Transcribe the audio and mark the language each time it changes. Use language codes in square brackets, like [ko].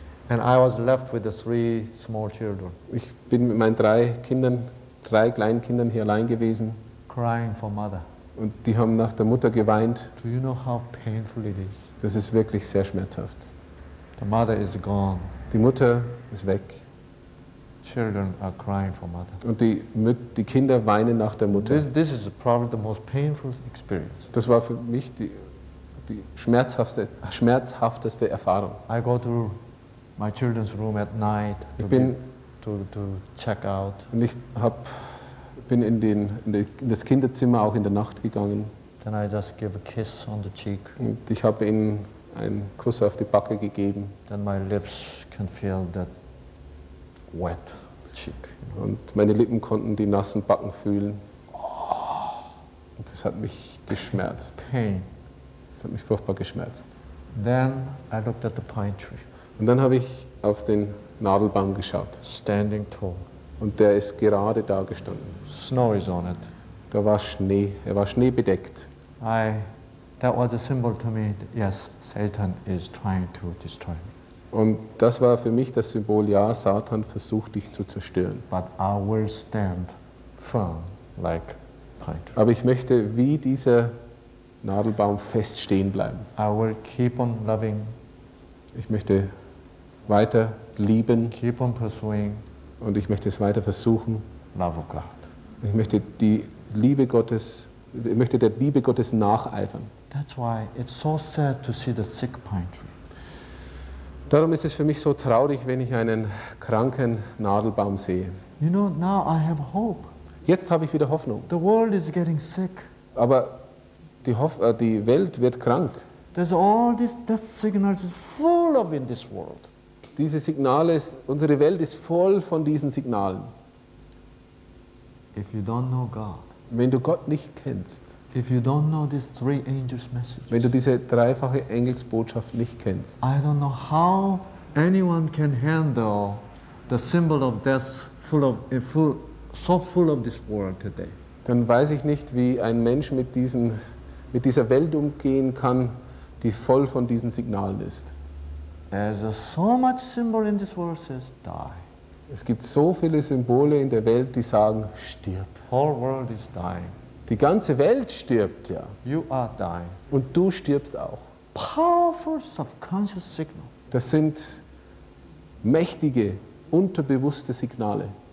[en] And I was left with the three small children. [de] Ich bin mit meinen drei kleinen Kindern hier allein gewesen. [en] Crying for mother. [de] Und die haben nach der Mutter geweint. [en] Do you know how painful it is? [de] Das ist wirklich sehr schmerzhaft. [en] The mother is gone. [de] Die Mutter ist weg. [en] Children are crying for mother. [de] Und die Kinder weinen nach der Mutter. [en] This is probably the most painful experience. [de] Das war für mich die schmerzhafteste Erfahrung. [en] I go to my children's room at night to check out. [de] Und ich bin in das Kinderzimmer auch in der Nacht gegangen. [en] Then I just give a kiss on the cheek. [de] Und ich habe ihnen einen Kuss auf die Backe gegeben. [en] Then my lips can feel that wet cheek. [de] Und meine Lippen konnten die nassen Backen fühlen. Oh. Und das hat mich geschmerzt. [en] Pain. [de] Das hat mich furchtbar geschmerzt. [en] Then I looked at the pine tree. [de] Und dann habe ich auf den Nadelbaum geschaut. [en] Standing tall. [de] Und der ist gerade da gestanden. [en] Snow is on it. [de] Da war Schnee. Er war schneebedeckt. [en] That was a symbol to me. Yes, Satan is trying to destroy me. [de] Und das war für mich das Symbol. Ja, Satan versucht dich zu zerstören. [en] But I will stand firm like pine tree. [de] Aber ich möchte wie dieser Nadelbaum fest stehen bleiben. [en] I will keep on loving. [de] Ich möchte weiter lieben. [en] Keep on pursuing. [de] Und ich möchte es weiter versuchen. [en] Love of God. [de] Ich möchte der Liebe Gottes nacheifern. [en] That's why it's so sad to see the sick pine tree. [de] Darum ist es für mich so traurig, wenn ich einen kranken Nadelbaum sehe. [en] You know, now I have hope. [de] Jetzt habe ich wieder Hoffnung. [en] The world is getting sick. [de] Aber die Welt wird krank. [en] There's all these death signals full of in this world. [de] Diese Signale, unsere Welt ist voll von diesen Signalen. [en] If you don't know God, [de] wenn du Gott nicht kennst, [en] if you don't know these three angels messages, [de] wenn du diese dreifache Engelsbotschaft nicht kennst, [en] I don't know how anyone can handle the symbol of death full of this world today. [de] Dann weiß ich nicht, wie ein Mensch mit dieser Welt umgehen kann, die voll von diesen Signalen ist. [en] There's so much symbol in this world says die. [de] Es gibt so viele Symbole in der Welt, die sagen stirb. [en] Whole world is dying. [de] Die ganze Welt stirbt ja. [en] You are dying. [de] Und du stirbst auch. [en] Powerful subconscious signal. [de] Das sind mächtige unterbewusste Signale.